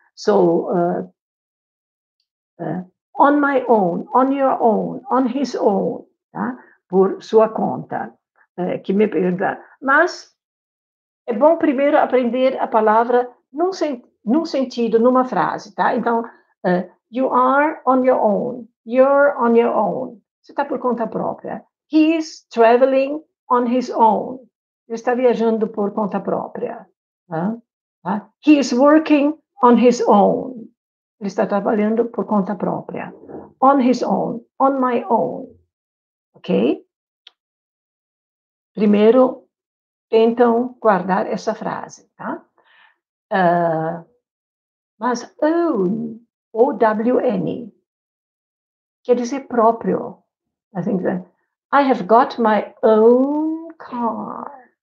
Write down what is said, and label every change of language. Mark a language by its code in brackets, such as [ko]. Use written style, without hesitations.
[en] So, on my own, on your own, on his own. [pt] Tá? Por sua conta. Que me pergunta. Mas é bom primeiro aprender a palavra num sentido, numa frase. [en] Tá? Então, you are on your own. You're on your own. [pt] Você está por conta própria. [en] He is traveling on his own. [pt] Ele está viajando por conta própria. Tá? [en] He is working on his own. [pt] Ele está trabalhando por conta própria. [en] On his own. On my own. [pt] Ok? Primeiro, tentam guardar essa frase. Tá? Mas own, O-W-N, quer dizer próprio. [en] I think that I have got my own car.